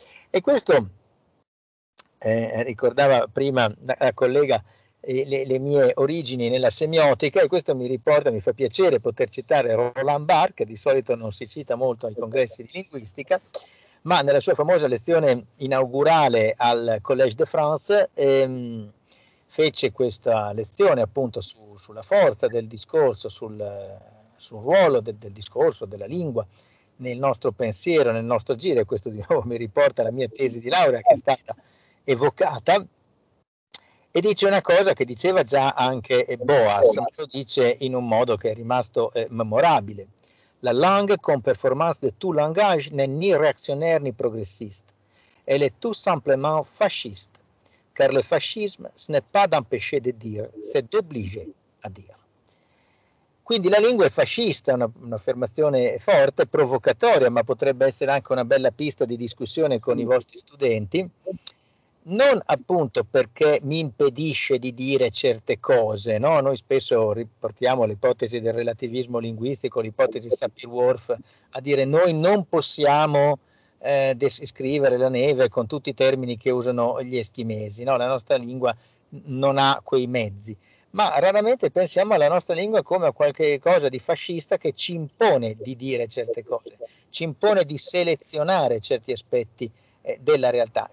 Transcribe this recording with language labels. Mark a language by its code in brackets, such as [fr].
[it] E questo, ricordava prima la collega, le mie origini nella semiotica, e questo mi riporta, mi fa piacere poter citare Roland Barthes, che di solito non si cita molto ai congressi di linguistica, ma nella sua famosa lezione inaugurale al Collège de France fece questa lezione appunto sulla forza del discorso, sul ruolo del discorso, della lingua nel nostro pensiero, nel nostro agire. Questo di nuovo mi riporta la mia tesi di laurea che è stata evocata. E dice una cosa che diceva già anche Boas, ma lo dice in un modo che è rimasto memorabile. [fr] La langue con performance de tout langage n'est ni réactionnaire ni progressiste. Elle est tout simplement fasciste. Car le fascisme, ce n'est pas d'empêcher de dire, c'est d'obliger à dire. [it] Quindi la lingua è fascista, un'affermazione forte, provocatoria, ma potrebbe essere anche una bella pista di discussione con i vostri studenti. Non appunto perché mi impedisce di dire certe cose, no? Noi spesso riportiamo l'ipotesi del relativismo linguistico, l'ipotesi Sapir-Whorf, a dire noi non possiamo descrivere la neve con tutti i termini che usano gli eschimesi, no? La nostra lingua non ha quei mezzi, ma raramente pensiamo alla nostra lingua come a qualche cosa di fascista che ci impone di dire certe cose, ci impone di selezionare certi aspetti della realtà.